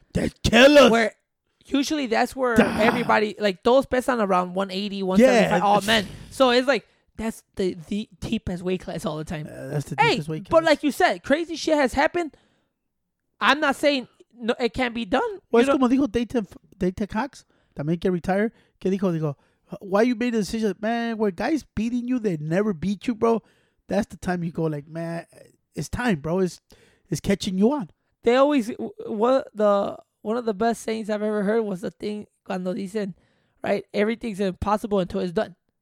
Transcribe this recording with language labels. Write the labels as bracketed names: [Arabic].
[English] That killer. Where usually that's where everybody, like those best on around 180, 175, all men. So it's like, that's the deepest weight class all the time. That's the deepest weight class. But like you said, crazy shit has happened. I'm not saying no, it can't be done. [Spanish] Well, es como dijo Dayton Cox, también que retire. Que dijo, [English] why you made the decision? Man, where guys beating you, they never beat you, bro. That's the time you go like, man, it's time, bro. It's catching you on. They always, one of the best sayings I've ever heard was the thing, [Spanish] cuando dicen, [English] right, everything's impossible until it's done.